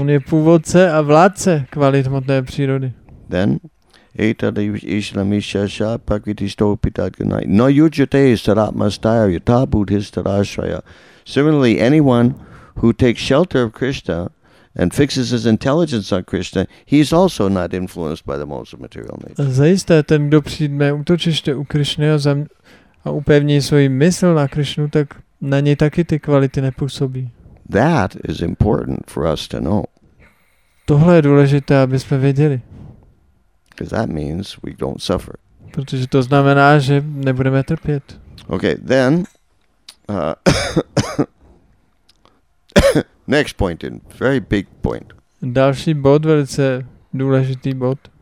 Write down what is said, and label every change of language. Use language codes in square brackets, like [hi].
[cs] On je původce a vládce kvalit hmotné přírody. [sa] Then Etadishanamishasha prakritistopitatgunai. No yujate saratmastaya yatabuddhistarashraya. [en] Similarly, anyone who takes shelter of Krishna and fixes his intelligence on Krishna, he is also not influenced by the modes of material nature. [cs] Zajisté, ten, kdo přijme útočiště u Krishny a upevní svoji mysl na Krishnu, tak na něj taky ty kvality nepůsobí. [en] That is important for us to know. [cs] Tohle je důležité, aby jsme věděli. [en] Because that means we don't suffer. [cs] Protože to znamená, že nebudeme trpět. [en] Okay, then next point in very big point. [cs] Další bod, velice důležitý bod.